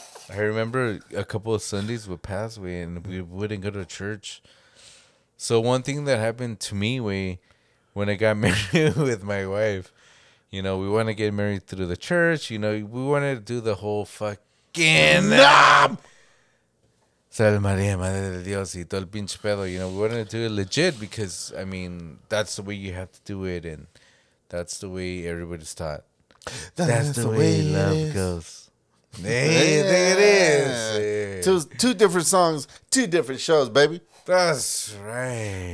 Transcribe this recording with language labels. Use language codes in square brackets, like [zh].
[en] I remember a couple of Sundays would pass away and we wouldn't go to church. So one thing that happened to me, when I got married with my wife, you know, we want to get married through the church. You know, we wanted to do the whole fucking... [es] Salve María, Madre de Dios, y todo el pinche pedo. [en] You know, we wanted to do it legit because, I mean, that's the way you have to do it. And that's the way everybody's taught. That's the way love goes. Hey, there it is. Yeah. Two different songs, two different shows, baby. That's right.